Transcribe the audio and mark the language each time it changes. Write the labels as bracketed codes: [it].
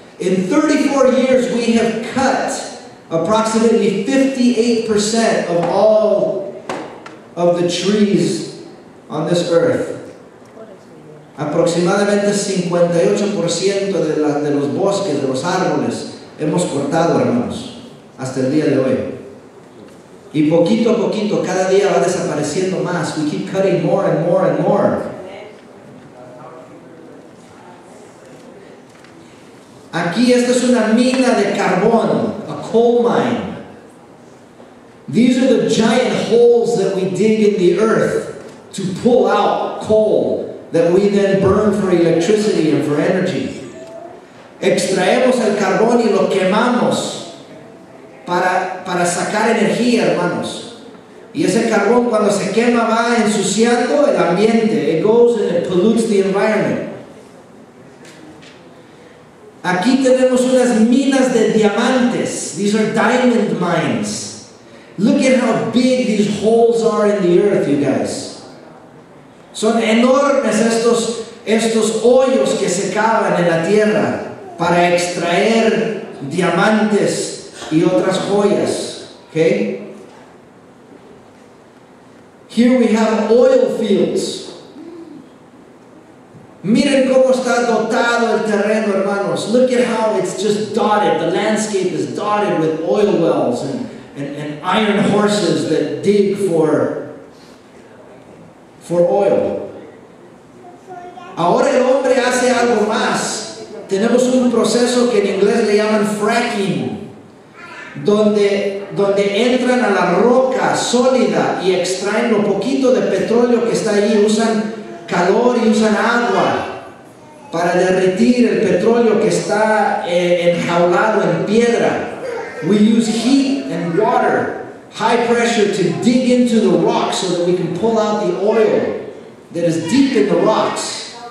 [en] In 34 years, we have cut approximately 58% of all of the trees on this earth. [es] Aproximadamente 58% de los bosques, de los árboles, hemos cortado, hermanos, hasta el día de hoy. Y poquito a poquito, cada día va desapareciendo más. [en] We keep cutting more and more and more. [es] Aquí, esta es una mina de carbón, [en] a coal mine. These are the giant holes that we dig in the earth to pull out coal that we then burn for electricity and for energy. [es] Extraemos el carbón y lo quemamos para sacar energía, hermanos. Y ese carbón, cuando se quema, va ensuciando el ambiente. [en] It goes and it pollutes the environment. [es] Aquí tenemos unas minas de diamantes. [en] These are diamond mines. Look at how big these holes are in the earth, you guys. [es] Son enormes estos hoyos que se cavan en la tierra para extraer diamantes y otras joyas. [en] Okay? Here we have oil fields. [es] Miren cómo está dotado el terreno, hermanos. [en] Look at how it's just dotted. The landscape is dotted with oil wells and iron horses that dig for oil. [es] Ahora el hombre hace algo más. Tenemos un proceso que en inglés le llaman fracking, donde entran a la roca sólida y extraen lo poquito de petróleo que está ahí. Usan calor y usan agua para derretir el petróleo que está enjaulado en piedra. [en] We use heat and water, high pressure, to dig into the rocks so that we can pull out the oil that is deep in the rocks.